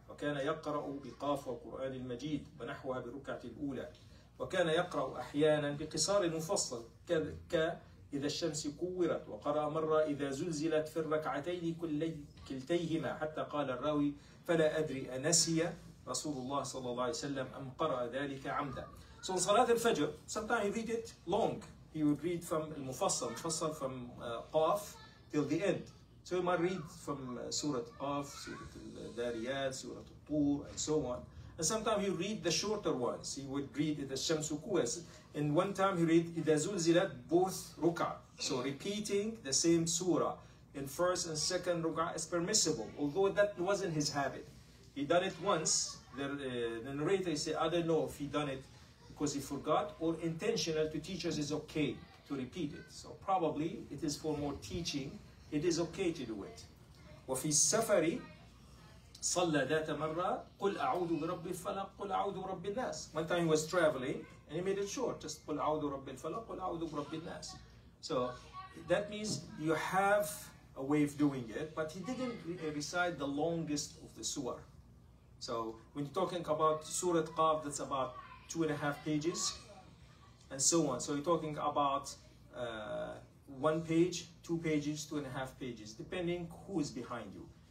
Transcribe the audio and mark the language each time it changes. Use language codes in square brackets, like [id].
[ar] وكان يقرأ بقاف القرآن المجيد ونحوها بالركعة الأولى. وكان يقرأ أحيانا بقصار مفصل كإذا الشمس كورت. وقرأ مرة إذا زلزلت في الركعتين كلتيهما حتى قال الراوي فلا أدري أنسي رسول الله صلى الله عليه وسلم أم قرأ ذلك عمدا. [en] So in صلاة الفجر, sometimes he read it long. He would read from المفصل, مفصل from قاف till the end. So you might read from Surah Qaf, Surah Al-Dariyat, Surah Al-Tur, and so on. And sometimes you read the shorter ones. He would read the Shamsu Kuwas. And one time he read Idha Zulzilat, both Ruk'ah. So repeating the same surah in first and second Ruk'ah is permissible. Although that wasn't his habit. He done it once. The narrator say, I don't know if he done it because he forgot or intentional to teach us is okay to repeat it. So probably it is for more teaching. It is okay to do it. [ar] وفي السفر صلى ذات مرة قل أعوذ برب الفلق قل أعوذ برب الناس. [en] One time he was traveling and he made it short. [ar] Just قل أعوذ برب الفلق قل أعوذ برب الناس. [en] So that means you have a way of doing it, but he didn't recite the longest of the surah. So when you're talking about Surah Qaf, that's about 2.5 pages and so on. So you're talking about one page, 2 pages, 2.5 pages, depending who is behind you.